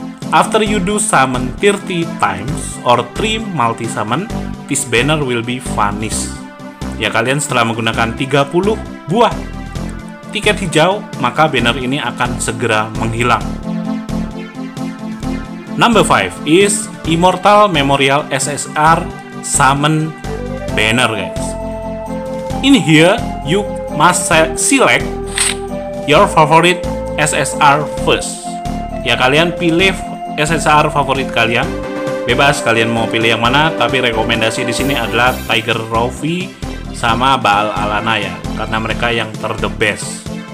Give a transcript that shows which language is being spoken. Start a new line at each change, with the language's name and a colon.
English: After you do summon 30 times or 3 multi summon, this banner will be vanished.
Indonesian: Ya, kalian setelah menggunakan 30 buah tiket hijau, maka banner ini akan segera menghilang.
English: Number 5 is Immortal Memorial SSR summon banner, guys. In here, you must select your favorite SSR first.
Indonesian: Ya, kalian pilih SSR favorit kalian. Bebas kalian mau pilih yang mana, tapi rekomendasi di sini adalah Tiger Rofi sama Baal Alana ya, karena mereka yang ter
English: the best.